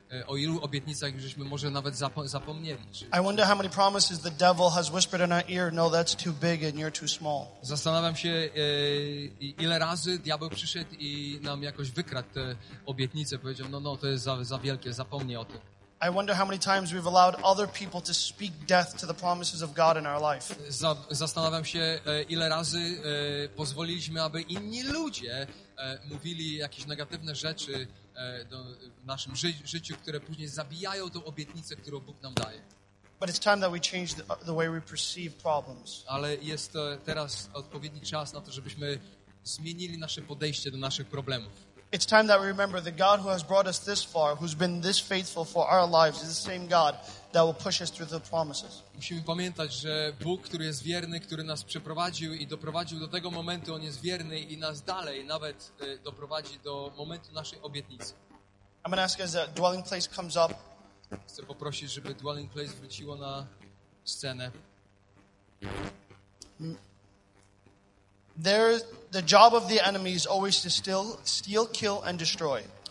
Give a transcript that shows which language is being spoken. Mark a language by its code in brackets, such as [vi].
[pl] O ilu obietnicach już żeśmy może nawet zapomnieli. [en] I wonder how many promises the devil has whispered in our ear. No, that's too big and you're too small. [pl] Zastanawiam się, ile razy diabeł przyszedł i nam jakoś wykradł te obietnice. Powiedział, no, to jest za wielkie, zapomnij o tym. [en] I wonder how many times we've allowed other people to speak death to the promises of God in our life. [pl] Zastanawiam się, ile razy pozwoliliśmy, aby inni ludzie mówili jakieś negatywne rzeczy w naszym życiu, które później zabijają tą obietnicę, którą Bóg nam daje. [en] But it's time that we change the way we perceive problems. [pl] Ale jest teraz odpowiedni czas na to, żebyśmy zmienili nasze podejście do naszych problemów. [en] It's time that we remember the God who has brought us this far, who's been this faithful for our lives, is the same God that will push us through the promises. [pl] Musimy pamiętać, że Bóg, który jest wierny, który nas przeprowadził i doprowadził do tego momentu, On jest wierny i nas dalej nawet doprowadzi do momentu naszej obietnicy. [en] I'm going to ask as the dwelling place comes up. [pl] Chcę poprosić, żeby dwelling place wróciło na scenę. [en] There, the job of the enemy is always to steal, kill, and destroy.